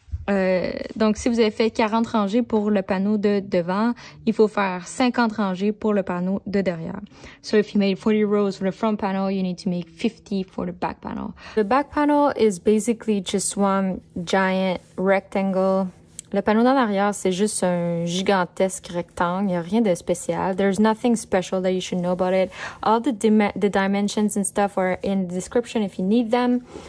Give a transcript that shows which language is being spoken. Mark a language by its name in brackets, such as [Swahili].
[French] Donc, si vous avez fait 40 rangées pour le panneau de devant, il faut faire 50 rangées pour le panneau de derrière. [English] So, if you made 40 rows for the front panel, you need to make 50 for the back panel. The back panel is basically just one giant rectangle. [French] Le panneau d'en arrière, c'est juste un gigantesque rectangle. Il n'y a rien de spécial. [English] There's nothing special that you should know about it. All the dimensions and stuff are in the description if you need them.